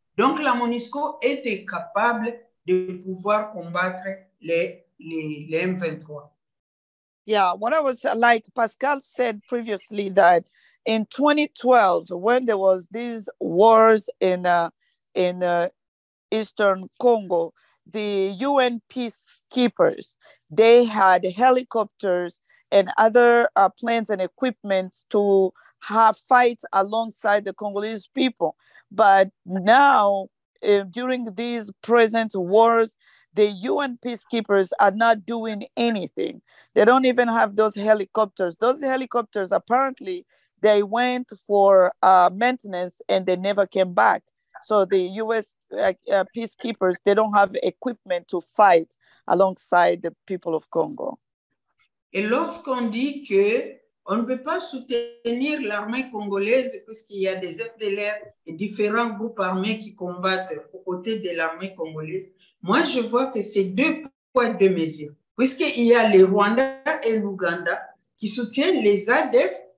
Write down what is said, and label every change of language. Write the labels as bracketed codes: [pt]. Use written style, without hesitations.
[fr] Donc la MONUSCO était capable de pouvoir combattre les M23. [en] Yeah, what I was like, Pascal said previously that in 2012, when there was these wars in Eastern Congo, the UN peacekeepers, they had helicopters and other planes and equipment to fight alongside the Congolese people. But now, during these present wars, the UN peacekeepers are not doing anything. They don't even have those helicopters. Those helicopters apparently, they went for maintenance and they never came back. So the U.S. Peacekeepers, they don't have equipment to fight alongside the people of Congo. [fr] Et lorsqu'on dit que on ne peut pas soutenir l'armée congolaise puisqu'il y a des aides de l'air et différents groupes armés qui combattent aux côtés de l'armée congolaise, moi je vois que c'est deux poids deux mesures. Puisqu'il y a les Rwanda et l'Ouganda qui soutiennent les ADF